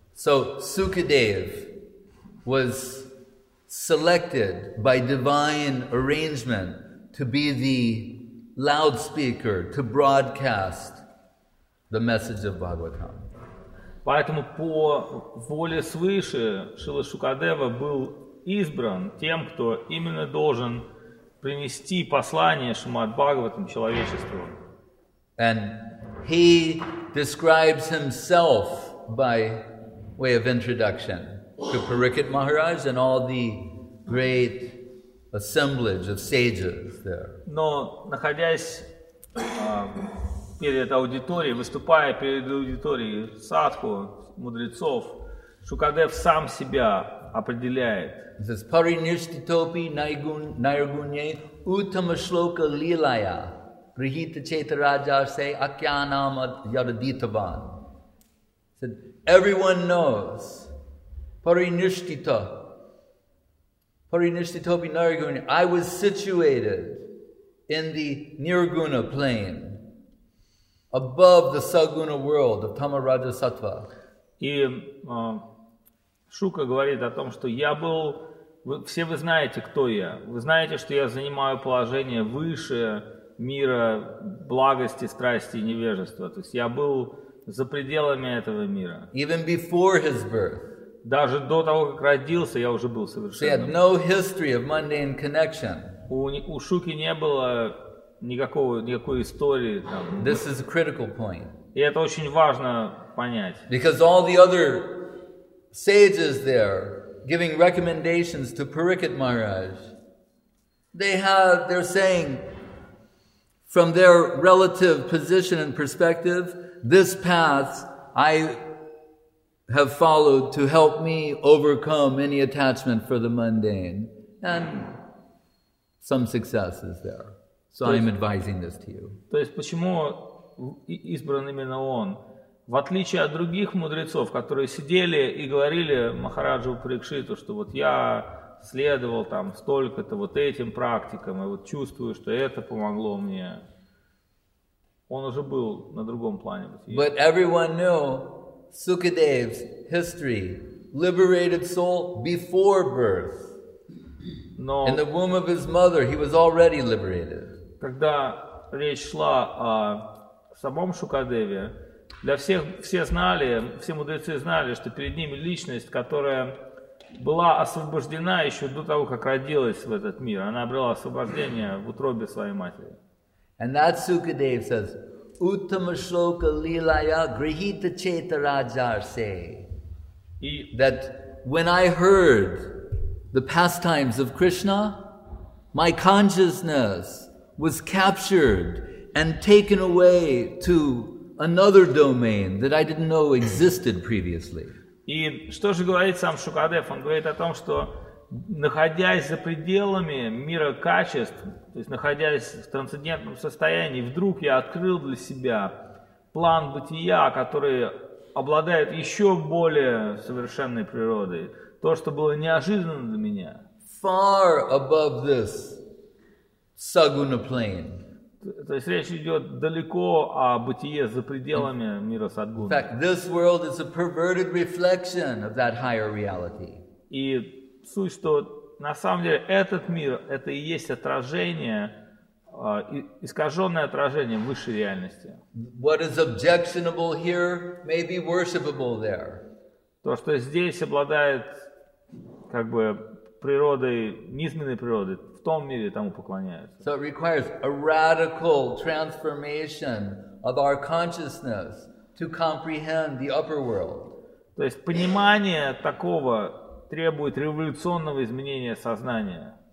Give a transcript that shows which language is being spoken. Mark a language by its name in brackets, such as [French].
[English] So Sukadev was selected by divine arrangement to be the loudspeaker to broadcast the message of Bhagavatam. [Russian] Поэтому по воле свыше Шрила Шукадева был избран тем, кто именно должен принести послание Шримад Бхагаватам человечеству. [English] And he describes himself by way of introduction to Parikshit Maharaj and all the great assemblage of sages there. [Russian] Но находясь перед аудиторией, выступая перед аудиторией садху, мудрецов, Шукадев сам себя определяет. [English] He says, [Sanskrit] Parinirshtitopi nairgunye uttama shloka lilaya prihita chetaraja se akyanam yadaditavan. [English] He said, everyone knows Parinirshtitopi nairgunye. I was situated in the nirguna plane, above the saguna world of tama raja sattva. [Russian] И Шука говорит о том, что я был, вы, все вы знаете, кто я. Вы знаете, что я занимаю положение выше мира благости, страсти и невежества. То есть я был за пределами этого мира. [English] Even before his birth. [Russian] Даже до того, как родился, я уже был совершенным. [English] He had no history of mundane connection. [Russian] У Шуки не было никакой истории там. [English] This is a critical point. [Russian] И это очень важно понять. [English] Because all the other sages there giving recommendations to Parikshit Maharaj, they're saying from their relative position and perspective, this path I have followed to help me overcome any attachment for the mundane, and some success is there. So I'm advising this to you. [Russian] То есть почему избран именно он? В отличие от других мудрецов, которые сидели и говорили Махараджу Парикшиту, что вот я следовал там столько-то вот этим практикам, и вот чувствую, что это помогло мне. Он уже был на другом плане. [English] But everyone knew Sukadev's history, liberated soul before birth. [Russian] Но [English] in the womb of his mother, he was already liberated. [Russian] Когда речь шла о самом Шукадеве, для всех, все знали, все мудрецы знали, что перед ними личность, которая была освобождена еще до того, как родилась в этот мир. Она обрела освобождение в утробе своей матери. [English] And that Sukadev says, [Sanskrit] Uttama shloka lilaya grihita cheta rajar se. [English] That when I heard the pastimes of Krishna, my consciousness was captured and taken away to another domain that I didn't know existed previously. [Russian] И что же говорит сам Шукадев? Он говорит о том, что находясь за пределами мира качеств, то есть находясь в трансцендентном состоянии, вдруг я открыл для себя план бытия, который обладает еще более совершенной природой, то, что было неожиданно для меня. [English] Far above this saguna plane. [Russian] То есть речь идет далеко о бытие за пределами мира садгуны. [English] In fact, this world is a perverted reflection of that higher reality. [Russian] И суть, что на самом деле этот мир — это и есть отражение, искаженное отражение высшей реальности. [English] What is objectionable here may be worshipable there. [Russian] То, что здесь обладает как бы природой, низменной природой, в том мире тому поклоняются. [English] So it requires a radical transformation of our consciousness to comprehend the upper world. [Russian] То есть понимание такого требует революционного изменения сознания.